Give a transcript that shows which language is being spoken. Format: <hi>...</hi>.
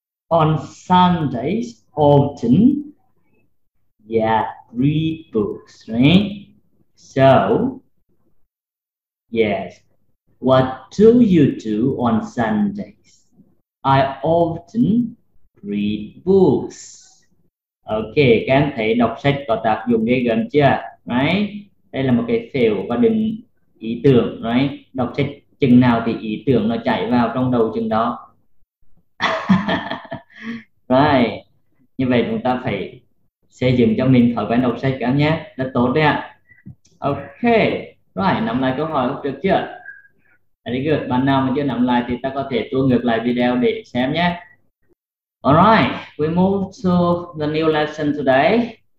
<en>On Sundays, often, read books, right? So, yes, what do you do on Sundays? I often read books.</en> <vi>Okay, các em thấy đọc sách có tác dụng ghê gớm chưa? Right? Đây là một cái phiểu và đừng ý tưởng, right? Đọc sách chừng nào thì ý tưởng nó chạy vào trong đầu chừng đó. Right. Như vậy chúng ta phải xây dựng cho mình thói quen đọc sách cả nhé. Rất tốt đấy ạ. Ok. Rồi, nắm lại câu hỏi lúc trước chưa? Đấy được. Bạn nào mà chưa nắm lại thì ta có thể tua ngược lại video để xem nhé.</vi> <en>Alright, we move to the new lesson today.</en>